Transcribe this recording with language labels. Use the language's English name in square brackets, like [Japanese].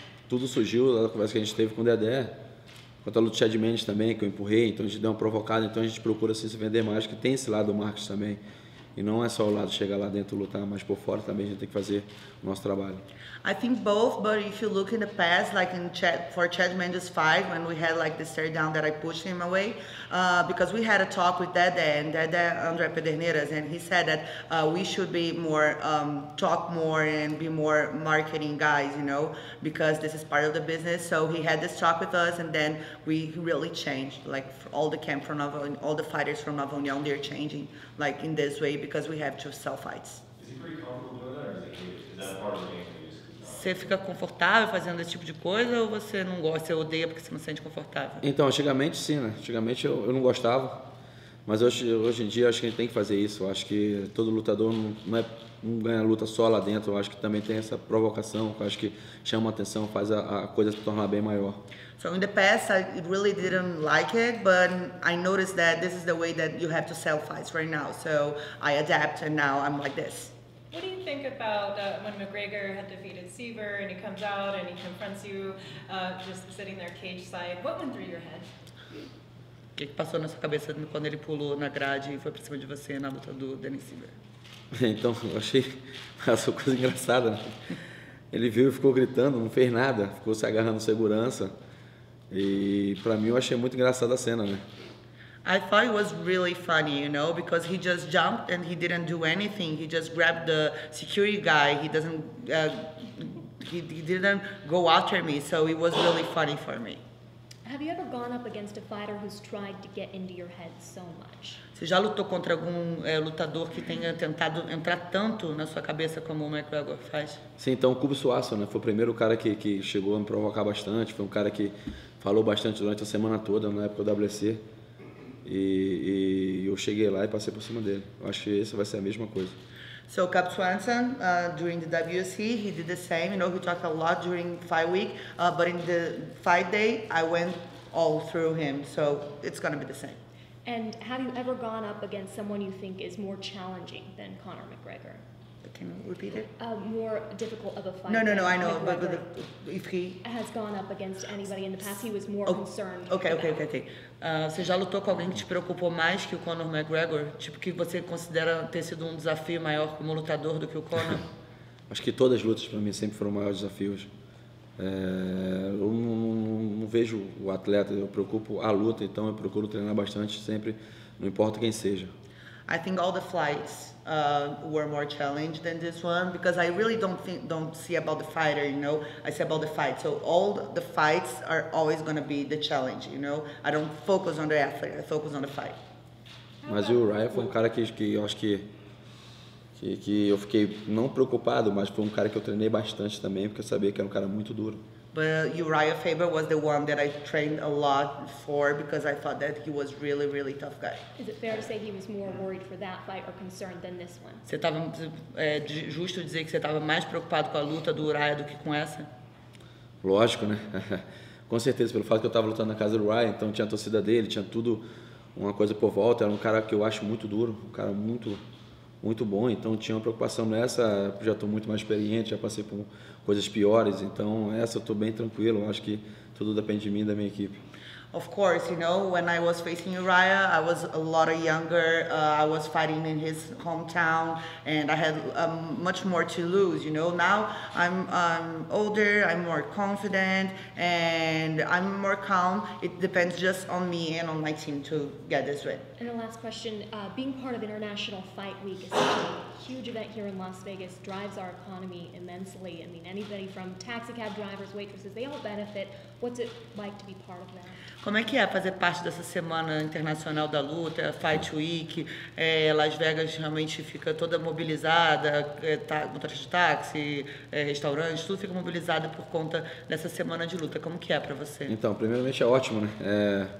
[Portuguese] Tudo surgiu da conversa que a gente teve com o Dedé. Quanto a luta de Chad Mendes também, que eu empurrei, então a gente deu uma provocada, então a gente procura assim, se vender mais, que tem esse lado do Marcos também. E não é só o lado chegar lá dentro lutar, mas por fora também a gente tem que fazer o nosso trabalho. [English] I think both, but if you look in the past, like in Chad Mendes fight, when we had like the stare down that I pushed him away, because we had a talk with Dedé and Dedé André Pederneiras, and he said that we should be more, talk more and be more marketing guys, you know, because this is part of the business. So he had this talk with us and then we really changed, like all the camp from Nova, all the fighters from Nova Union, they're changing like in this way because we have to sell fights. Is he pretty comfortable with that, or is that part of the game? [Portuguese] Você fica confortável fazendo esse tipo de coisa ou você não gosta, você odeia porque você não se sente confortável? Então, antigamente sim, né? Antigamente eu não gostava, mas hoje em dia acho que a gente tem que fazer isso. Acho que todo lutador não ganha luta só lá dentro, acho que também tem essa provocação, acho que chama atenção, faz a coisa se tornar bem maior. [English] So in the past I really didn't like it, but I noticed that this is the way that you have to sell fights right now. So I adapt and now I'm like this. What do you think about when McGregor had defeated Seaver and he comes out and he confronts you just sitting there cage side? What went through your head? [Portuguese] O que passou na sua cabeça quando ele pulou na grade e foi pra cima de você na luta do Dennis Seaver? Então, eu achei essa coisa engraçada, né? Ele viu e ficou gritando, não fez nada, ficou se agarrando segurança. E pra mim eu achei muito engraçada a cena, né? [English] I thought it was really funny, you know, because he just jumped and he didn't do anything. He just grabbed the security guy. He doesn't, he didn't go after me. So it was really funny for me. Have you ever gone up against a fighter who's tried to get into your head so much? [Portuguese] Você já lutou contra algum lutador que tenha tentado entrar tanto na sua cabeça como o McGregor faz? Sim, então o Cubo Suácio, né? Foi o primeiro cara que chegou a me provocar bastante. Foi um cara que falou bastante durante a semana toda na época do WC. E eu cheguei lá e passei por cima dele. Eu acho que essa vai ser a mesma coisa. [English] So Cap Swanson, during the WSC, he did the same. You know, he talked a lot during fight week, but in the fight day, I went all through him. So it's going to be the same. And have you ever gone up against someone you think is more challenging than Conor McGregor? Can you repeat it? More difficult of a fight. No, I know, but if he... Has gone up against anybody in the past, he was more concerned. Okay. [Portuguese] Você já lutou com alguém que te preocupou mais que o Conor McGregor? Tipo, que você considera ter sido um desafio maior como lutador do que o Conor? Acho que todas as lutas para mim sempre foram maiores desafios. Eu não vejo o atleta, eu preocupo a luta, então eu procuro treinar bastante sempre, não importa quem seja. [English] I think all the fights were more challenged than this one because I really don't see about the fighter, you know. I see about the fight. So all the fights are always going to be the challenge, you know. I don't focus on the athlete, I focus on the fight. [Portuguese] Mas o Ryan foi um cara que eu acho que eu fiquei não preocupado, mas foi um cara que eu treinei bastante também porque eu sabia que era um cara muito duro. [English] But Uriah Faber was the one that I trained a lot for because I thought that he was really, really tough guy. Is it fair to say he was more worried for that fight or concerned than this one? [Portuguese] Você estava justo dizer que você estava mais preocupado com a luta do Uriah do que com essa? Lógico, né? Com certeza, pelo fato que eu estava lutando na casa do Uriah, então tinha a torcida dele, tinha tudo, uma coisa por volta. Era um cara que eu acho muito duro, um cara muito, muito bom, então tinha uma preocupação nessa. Já estou muito mais experiente, já passei por coisas piores, então essa eu tô bem tranquilo. Acho que tudo depende de mim, da minha equipe. [English] Of course, you know, when I was facing Uriah, I was a lot younger. I was fighting in his hometown, and I had much more to lose. You know, now I'm older, I'm more confident, and I'm more calm. It depends just on me and on my team to get this win. And the last question: being part of International Fight Week is such a huge event here in Las Vegas. Drives our economy immensely. I mean, anybody from taxi cab drivers, waitresses, they all benefit. What's it like to be part of that? [Portuguese] Como é que é fazer parte dessa Semana Internacional da Luta, Fight Week? Las Vegas realmente fica toda mobilizada, motorista de táxi, restaurante, tudo fica mobilizado por conta dessa semana de luta. Como que é para você? Então, primeiramente é ótimo, né?